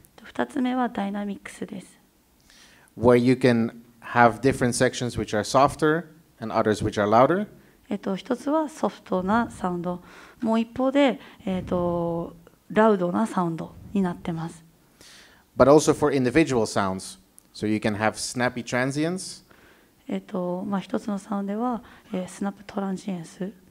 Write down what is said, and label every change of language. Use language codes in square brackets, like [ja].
[ja] 二つ目はダイナミックスです。 [en] Where you can have different sections which are softer and others which are louder. [ja] 一つはソフトなサウンド、もう一方で、ラウドなサウンドになってます。 [en] But also for individual sounds. So you can have snappy transients. [ja] 一つのサウンドは、スナップトランジエンス。